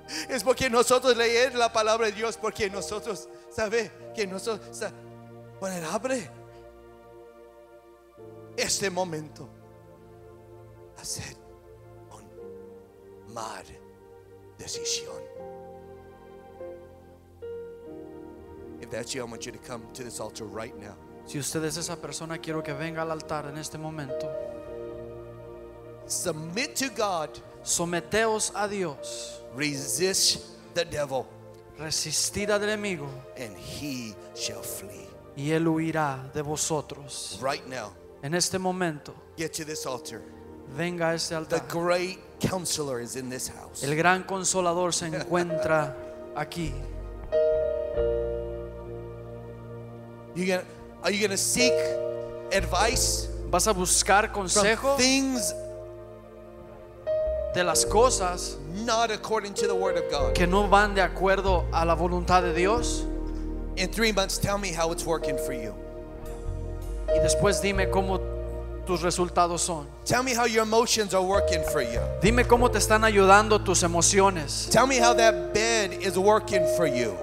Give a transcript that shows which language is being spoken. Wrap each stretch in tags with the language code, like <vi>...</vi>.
<es>Es porque nosotros leer la palabra de Dios, porque nosotros sabe que nosotros vulnerable este momento hacer una mala decisión.</es> <en>If that's you, I want you to come to this altar right now.</en> <es>Si usted es esa persona, quiero que venga al altar en este momento.</es> <en>Submit to God.</en> <es>Someteos a Dios.</es> <en>Resist the devil.</en> <es>Resistid al enemigo.</es> <en>And he shall flee.</en> <es>Y él huirá de vosotros.</es> <en>Right now.</en> <es>En este momento.</es> <en>Get to this altar.</en> <es>Venga a este altar.</es> <en>The great counselor is in this house.</en> <es>El gran consolador se encuentra aquí.</es> <en>Are you gonna seek advice?</en> <es>¿Vas a buscar consejo?</es> <en>From things</en> <es>de las cosas,</es> <en>not according to the word of God,</en> <es>que no van de acuerdo a la voluntad de Dios.</es> <en>In 3 months, tell me how it's working for you.</en> <es>Y después dime cómo tus resultados son.</es> <en>Tell me how your emotions are working for you.</en> <es>Dime cómo te están ayudando tus emociones.</es> <en>Tell me how that bed is working for you.</en>